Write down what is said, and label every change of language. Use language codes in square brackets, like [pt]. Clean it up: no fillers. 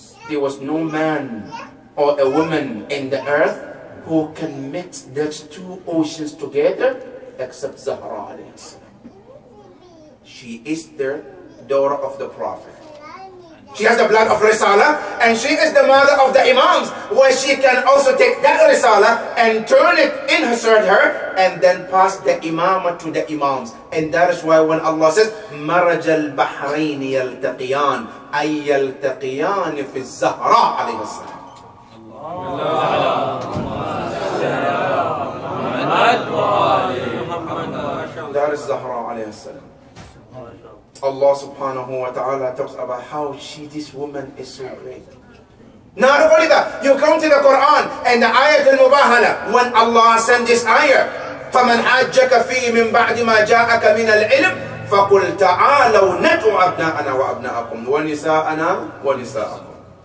[en] There was no man or a woman in the earth who can mix those two oceans together except Zahra alayhi salam. She is the daughter of the Prophet. She has the blood of Risala and she is the mother of the Imams, where she can also take that Risala and turn it in her and then pass the Imama to the Imams. And that is why when Allah says, [ar] مرج البحرين يلتقيان أي يلتقيان في الزهراء عليه السلام. [en] That is [ar] زهراء عليه السلام. [en] Allah subhanahu wa ta'ala talks about how she, this woman, is so great. Not only that, you come to the Quran and the ayat al-mubahala, when Allah sent this ayah, [ar] فَمَنْ حَجَّكَ فِيهِ مِنْ بَعْدِ مَا جَاءَكَ مِنَ الْعِلْمِ فَقُلْ تَعَالَوْ نَتْعُ أَبْنَاءَنَا وَأَبْنَاءَكُمْ وَنِسَاءَنَا وَنِسَاءَكُمْ.